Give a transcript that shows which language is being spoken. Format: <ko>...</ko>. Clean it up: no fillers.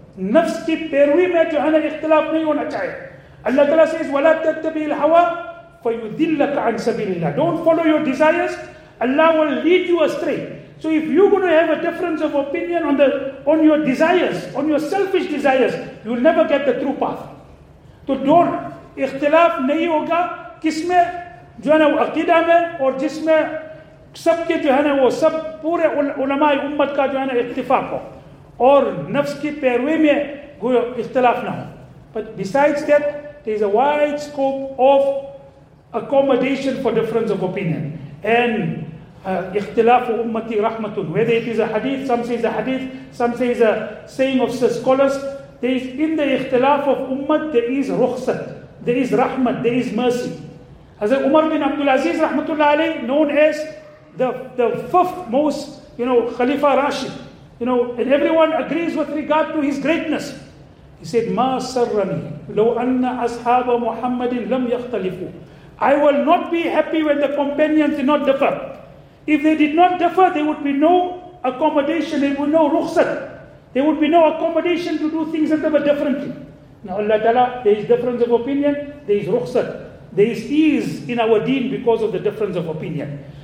<ur>Nafs ki pairvi mein jo hai na ikhtilaf nahi hona chahiye.</ur> <en>Allah Ta'ala says,</en> <ar>wala tattabi'il hawa فَيُذِلَّكَ عَنْ سَبِيلِ اللَّهِ.</ar> <en>Don't follow your desires, Allah will lead you astray. So if you're going to have a difference of opinion on your desires, on your selfish desires, you'll never get the true path. So don't,</en> <ur>اختلاف نہیں ہوگا کس میں جو ہے نا وہ عقیدہ میں اور جس میں سب کے جو ہے نا وہ سب پورے علماء امت کا جو ہے نا اتفاق ہو اور نفس کی پیروی میں اختلاف نہ ہو.</ur> <en>But besides that, there is a wide scope of accommodation for difference of opinion. And اختلاف امتی رحمت, whether it is a hadith, some say it's a hadith, some say it's a saying of scholars, there is in the اختلاف of ummat there is rukhsat, there is rahmat, there is mercy. Hazrat Umar bin Abdul Aziz rahmatullah alayhi, known as the fifth most, you know, Khalifa Rashid, you know, and everyone agrees with regard to his greatness.</en> <ar>He said, ما سرني لو أن أصحاب محمد لم يختلفوا.</ar> <en>I will not be happy when the companions did not differ. If they did not differ, there would be no accommodation, there would be no rukhsat. There would be no accommodation to do things that were differently. Now Allah Ta'ala, there is difference of opinion, there is rukhsat. There is ease in our deen because of the difference of opinion.</en>